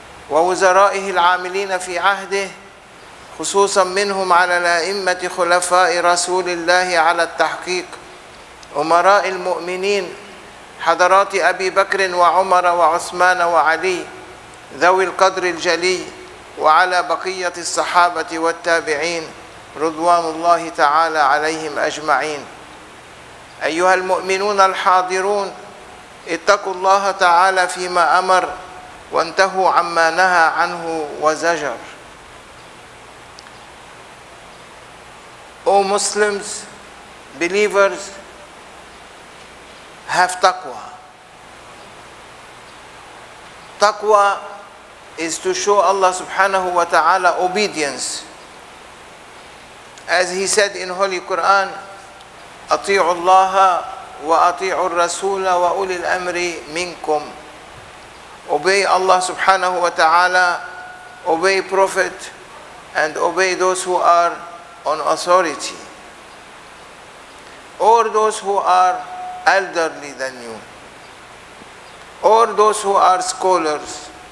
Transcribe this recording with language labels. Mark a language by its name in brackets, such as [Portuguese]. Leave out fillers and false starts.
[Arabic] ووزرائه العاملين في عهده خصوصا منهم على الأئمة خلفاء رسول الله على التحقيق أمراء المؤمنين حضرات أبي بكر وعمر وعثمان وعلي ذوي القدر الجلي وعلى بقية الصحابة والتابعين رضوان الله تعالى عليهم أجمعين. أيها المؤمنون الحاضرون اتقوا الله تعالى فيما أمر وانتهوا عما نهى عنه وزجر. [English] O Muslims, believers, have taqwa. Taqwa is to show Allah subhanahu wa ta'ala obedience. As he said in Holy Quran, [Arabic] أطيعوا الله وأطيعوا الرسول وأولي الأمر منكم. [English] Obey Allah subhanahu wa ta'ala, obey Prophet, and obey those who are on authority, or those who are elderly than you, or those who are scholars.